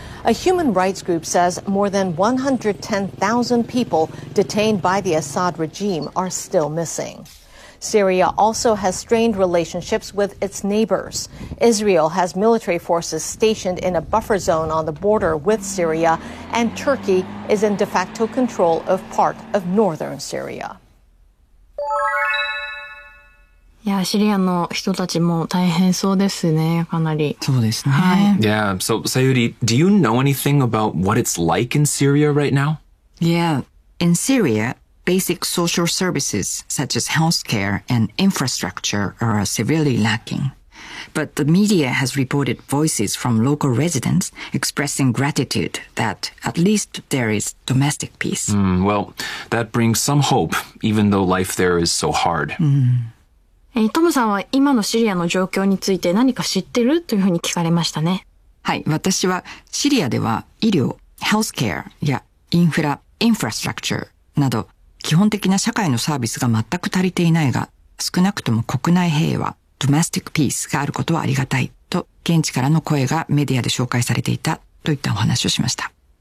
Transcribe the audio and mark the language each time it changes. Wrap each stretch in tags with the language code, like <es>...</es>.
<en>A human rights group says more than 110,000 people detained by the Assad regime are still missing. Syria also has strained relationships with its neighbors. Israel has military forces stationed in a buffer zone on the border with Syria, and Turkey is in de facto control of part of northern Syria.</en> <ja>いや、シリアの人たちも大変そうですね、かなり。そうですね。はい。</ja> <en>Yeah, so Sayuri, do you know anything about what it's like in Syria right now? Yeah, in Syria, basic social services such as healthcare and infrastructure are severely lacking. But the media has reported voices from local residents expressing gratitude that at least there is domestic peace. Well, that brings some hope, even though life there is so hard.</en> <ja>トムさんは今のシリアの状況について何か知ってる？というふうに聞かれましたね。はい、私はシリアでは医療、healthcare やインフラ、infrastructure など基本的な社会のサービスが全く足りていないが、少なくとも国内平和、</ja> <en>domestic peace</en> <ja>があることはありがたいと現地からの声がメディアで紹介されていたといったお話をしました。</ja>